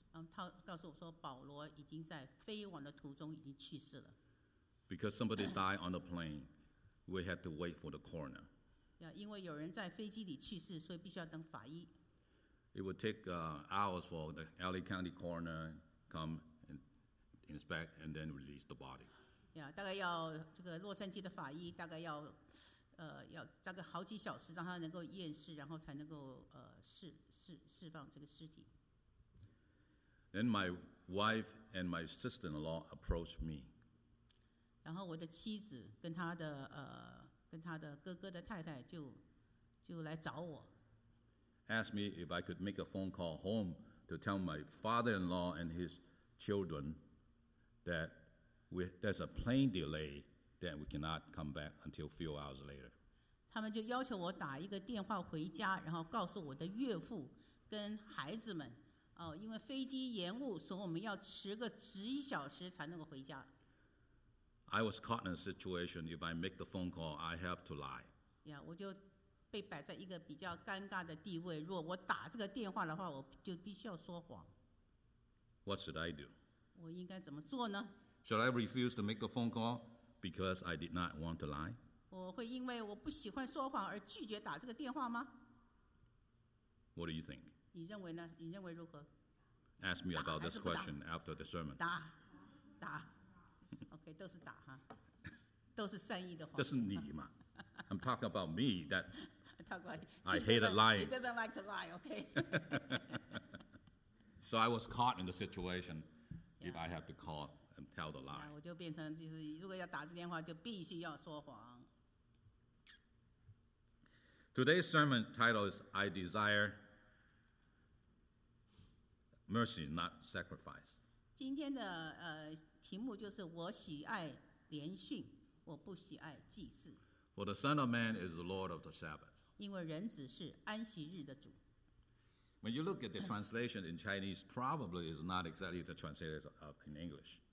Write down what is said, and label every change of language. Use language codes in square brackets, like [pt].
[zh] 他告诉我说，保罗已经在飞往的途中已经去世了。 [en] Because somebody died on the plane, we had to wait for the coroner. [zh] 因为有人在飞机里去世，所以必须要等法医。 [en] It would take hours for the LA County coroner come and inspect and then release the body. [zh] 大概要这个洛杉矶的法医大概要要大概好几小时，让他能够验尸，然后才能够释放这个尸体。 [en] Then my wife and my sister-in-law approached me. [zh] 然后我的妻子跟他的跟他的哥哥的太太就来找我。 [en] Asked me if I could make a phone call home to tell my father-in-law and his children that there's a plane delay that we cannot come back until a few hours later. [zh] 他们就要求我打一个电话回家，然后告诉我的岳父跟孩子们。因为飞机延误，所以我们要迟个十一小时才能够回家。 [en] I was caught in a situation. If I make the phone call, I have to lie. [zh] 我就被摆在一个比较尴尬的地位。如果我打这个电话的话，我就必须要说谎。 [en] What should I do? [zh] 我应该怎么做呢 [en] ？Should I refuse to make the phone call because I did not want to lie? [zh] 我会因为我不喜欢说谎而拒绝打这个电话吗 [en] ？What do you think? [zh] 你认为呢？你认为如何 [en] ？Ask me about this question after the sermon. [zh] 打 ，OK， 都是打哈，都是善意的谎。这是你嘛 [en] ？I'm talking about me. That talk about. I hate lying. He doesn't like to lie. OK. So I was caught in the situation if I have to call and tell the lie. [zh] 我就变成就是如果要打这电话，就必须要说谎。 [en] Today's sermon title is "I Desire." Mercy, not sacrifice. [zh] 今天的题目就是我喜爱连训，我不喜爱祭祀。 [en] For the Son of Man is the Lord of the Sabbath. [zh] 因为人子是安息日的主。 [en] When you look at the translation in Chinese, probably is not exactly the translation of in English.